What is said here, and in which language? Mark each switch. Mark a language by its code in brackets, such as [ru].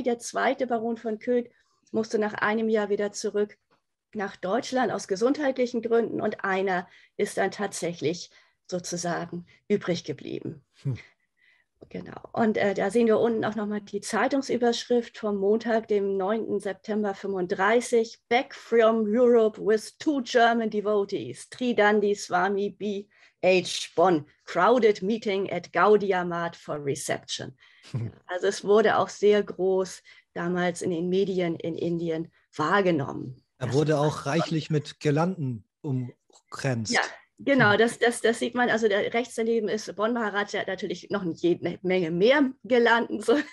[de] Der zweite Baron von Köth musste nach einem Jahr wieder zurück nach Deutschland aus gesundheitlichen Gründen. Und einer ist dann tatsächlich sozusagen übrig geblieben. Genau. Und da sehen wir unten auch nochmal die Zeitungsüberschrift vom Montag, dem 9. September 35. [en] Back from Europe with 2 German devotees. Tridandi Swami B. H. Bon. Crowded meeting at Gaudiya Mart for reception. [de] Also es wurde auch sehr groß damals in den Medien in Indien wahrgenommen. Er wurde auch reichlich mit Girlanden umkränzt. Ja. Genau, das sieht man, also rechts daneben ist Bon Maharaj, der hat natürlich noch eine Menge mehr gelandet.